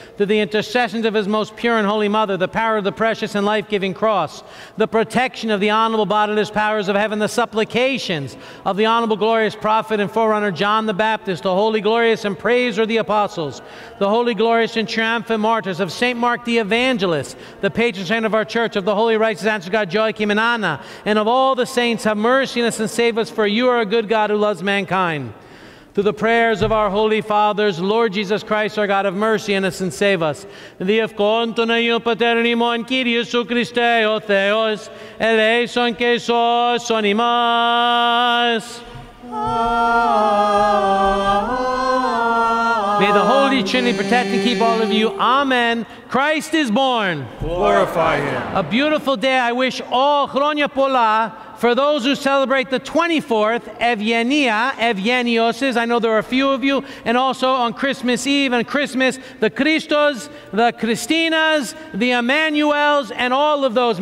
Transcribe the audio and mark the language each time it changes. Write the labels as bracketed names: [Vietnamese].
[English] Through the intercessions of his most pure and holy mother, the power of the precious and life-giving cross, the protection of the honorable bodiless powers of heaven, the supplications of the honorable glorious prophet and forerunner John the Baptist, the holy glorious and praiseworthy apostles, the holy glorious and triumphant martyrs of St. Mark the Evangelist, the patron saint of our church, of the holy righteous answer God Joachim and Anna, and of all the saints, have mercy on us and save us, for you are a good God who loves mankind. Through the prayers of our holy fathers, Lord Jesus Christ, our God, have mercy on us and save us. [Greek] Διευκόντων Αγίων Πατέρων ημών, Κύριε Ιησού Χριστέ, ο Θεός, ελέησον και σώσον ημάς. [English] May the Holy Trinity protect and keep all of you. Amen. Christ is born. Glorify Him. A beautiful day. I wish all Chronia Pola for those who celebrate the 24th, Evgenia, Evgenioses. I know there are a few of you. And also on Christmas Eve and Christmas, the Christos, the Christinas, the Emmanuels, and all of those.